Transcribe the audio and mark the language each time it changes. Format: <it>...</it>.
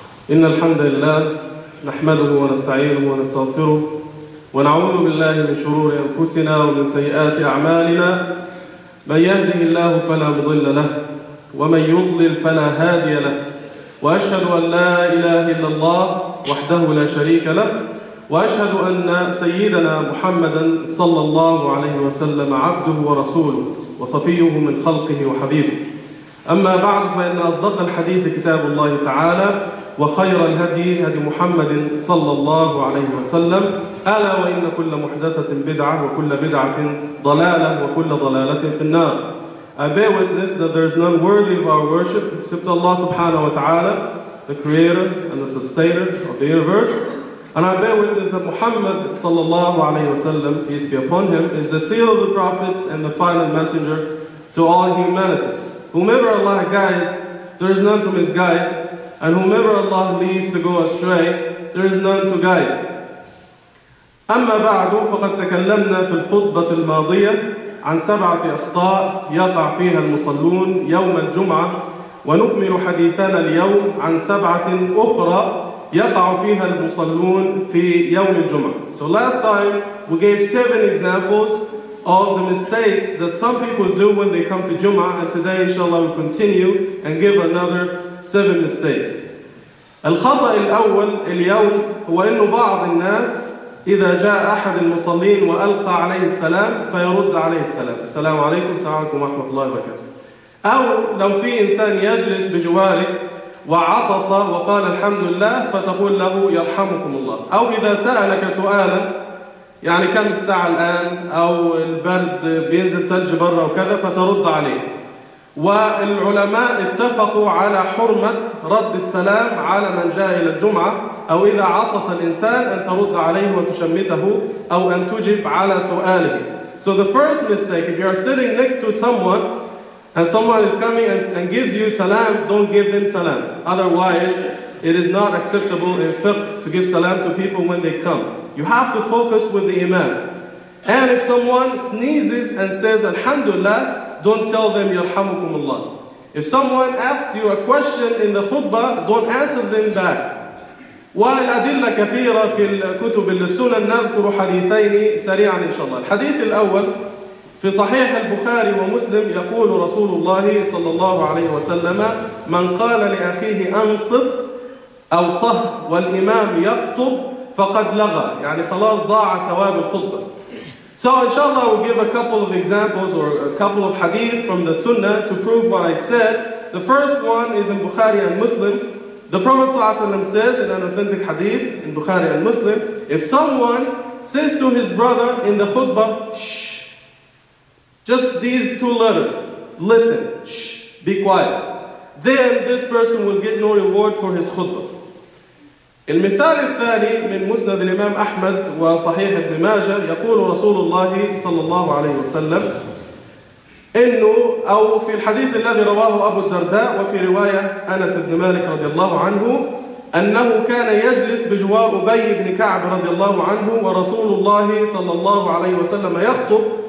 <ar>إن الحمد لله نحمده ونستعينه ونستغفره ونعوذ بالله من شرور أنفسنا ومن سيئات أعمالنا، من يهده الله فلا مضل له ومن يضلل فلا هادي له، وأشهد أن لا إله إلا الله وحده لا شريك له، وأشهد أن سيدنا محمدًا صلى الله عليه وسلم عبده ورسوله وصفيه من خلقه وحبيبه. أما بعد، فإن أصدق الحديث كتاب الله تعالى، وخير الهدي هدي محمد صلى الله عليه وسلم، ألا وإن كل محدثة بدعة وكل بدعة ضلالة وكل ضلالة في النار.</ar> <en>I bear witness that there is none worthy of our worship except Allah subhanahu wa ta'ala, the creator and the sustainer of the universe. And I bear witness that Muhammad sallallahu alayhi wa sallam, peace be upon him, is the seal of the prophets and the final messenger to all humanity. Whomever Allah guides, there is none to misguide. And whomever Allah leaves to go astray, there is none to guide.</en> <ar>أما بعد، فقد تكلمنا في الخطبة الماضية عن سبعة أخطاء يقع فيها المصلون يوم الجمعة، ونكمل حديثنا اليوم عن سبعة أخرى يقع فيها المصلون في يوم الجمعة.</ar> <en>So last time we gave seven examples of the mistakes that some people do when they come to Jum'ah, and today inshallah we continue and give another seven mistakes.</en> <ar>الخطأ الأول اليوم هو أن بعض الناس إذا جاء أحد المصلين وألقى عليه السلام فيرد عليه السلام، السلام عليكم سلامكم ورحمة الله وبركاته. أو لو في إنسان يجلس بجوارك وعطس وقال الحمد لله فتقول له يرحمكم الله. أو إذا سألك سؤالا يعني كم الساعة الآن أو البرد بينزل ثلج برا وكذا فترد عليه. والعلماء اتفقوا على حرمة رد السلام على من جاء إلى الجمعة، أو إذا عطس الإنسان أن ترد عليه وتشمته أو أن تجب على سؤاله.</ar> <en>So the first mistake, if you are sitting next to someone and someone is coming and gives you salam, don't give them salam. Otherwise, it is not acceptable in fiqh to give salam to people when they come. You have to focus with the imam. And if someone sneezes and says alhamdulillah, don't tell them yarhamukum Allah. If someone asks you a question in the khutbah, don't answer them back.</en> <ar>والأدلة كثيرة في الكتب للسنن، نذكر حديثين سريعا إن شاء الله. الحديث الأول في صحيح البخاري ومسلم، يقول رسول الله صلى الله عليه وسلم: من قال لأخيه أنصت أو صه والإمام يخطب فقد لغى، يعني خلاص ضاع ثواب الخطبة.</ar> <en>So inshallah we'll give a couple of examples or a couple of hadith from the sunnah to prove what I said. The first one is in Bukhari and Muslim. The Prophet ﷺ says in an authentic hadith in Bukhari and Muslim, if someone says to his brother in the khutbah, shh, just these two letters, listen, shh, be quiet, then this person will get no reward for his khutbah.</en> <ar>المثال الثاني من مسند الإمام أحمد وصحيح ابن ماجه، يقول رسول الله صلى الله عليه وسلم إنه، أو في الحديث الذي رواه أبو الدرداء وفي رواية أنس بن مالك رضي الله عنه، أنه كان يجلس بجوار أبي بن كعب رضي الله عنه ورسول الله صلى الله عليه وسلم يخطب،</ar>